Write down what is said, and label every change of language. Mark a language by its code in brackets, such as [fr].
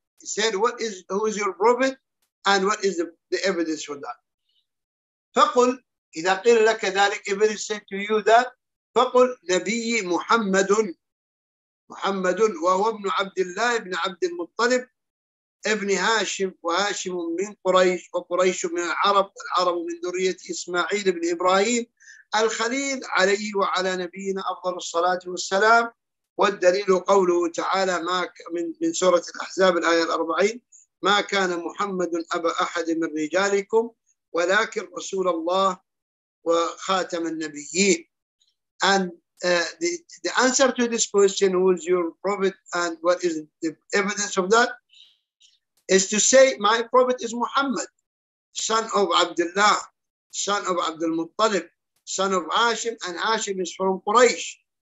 [en] He said, who is your prophet and what is the evidence for that. [ar] فقل, إذا قيل لك ذلك, [en] if it is said to you that, [ar] فقل نبي محمد وهو ابن عبد الله ابن عبد المطلب ابن هاشم, وهاشم من قريش, وقريش من العرب, العرب من ذرية إسماعيل بن إبراهيم الخليل عليه وعلى نبينا أفضل الصلاة والسلام. والدليل قوله تعالى من سورة الأحزاب الآية 40, ما كان محمد أبا أحد من رجالكم ولكن رسول الله وخاتم النبيين. [en] And the answer to this question, who is your prophet and what is the evidence of that, is to say, my prophet is Muhammad, son of Abdullah, son of Abdul Muttalib, son of Hashim, and Hashim is from Quraysh.